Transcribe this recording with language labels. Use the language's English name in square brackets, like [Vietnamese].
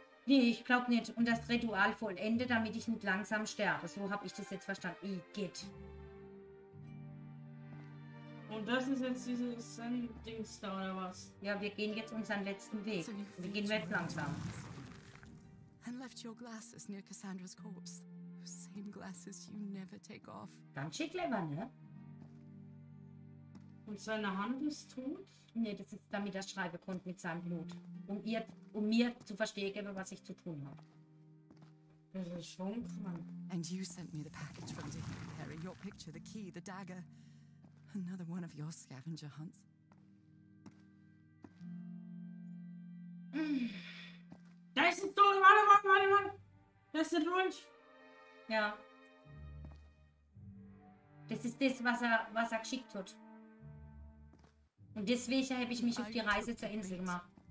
[German] Nee, ich glaube nicht. Und das Ritual vollende, damit ich nicht langsam sterbe. So habe ich das jetzt verstanden. Igitt. Und das ist jetzt dieses Dings da, oder was? Ja, wir gehen jetzt unseren letzten Weg. Wir gehen jetzt langsam. [English] And left your glasses near Cassandra's corpse. Same glasses you never take off. [German] Ganz schön clever, ne? Und seine Hand ist tot? Nee, das ist damit er schreiben konnte mit seinem Blut. Um mir zu verstehen, was ich zu tun habe. Das ist schon krank. [English] And you sent me the package from Dick, Harry. Your picture, the key, the dagger. Another one of your scavenger hunts. [German] Da ist ein Dolch! Warte! Da ist ein Dolch! Ja. Das ist das, was er geschickt hat. Und deswegen habe ich mich auf die Reise zur Insel gemacht.